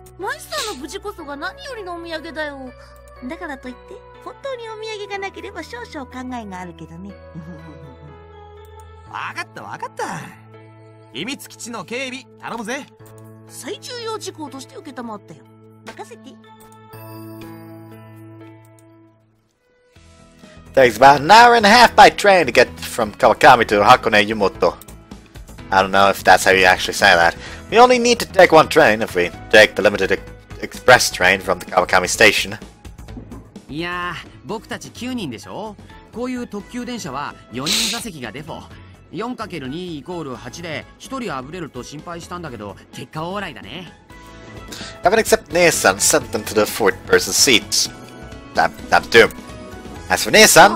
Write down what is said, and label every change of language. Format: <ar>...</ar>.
<ja>マイスターの無事こそが何よりのお土産だよ。だからといって本当にお土産がなければ少々考えがあるけどね。わかったわかった、秘密基地の警備頼むぜ。最重要事項として受けたまったよ。任せて。</ja> <en>Takes about an hour and a half by train to get from Kawakami to Hakone Yumoto. I don't know if that's how you actually say that. We only need to take one train if we take the limited express train from the Kawakami station.</en> <ja>Yeah, 僕たち9人でしょ。こういう特急電車は4人座席がデフォ。4×2=8 で1人あぶれると心配したんだけど、結果オーライだね。</ja> <en>Everyone except Nae-san sent them to the fourth person seats. That too. As for Nae-san,</en>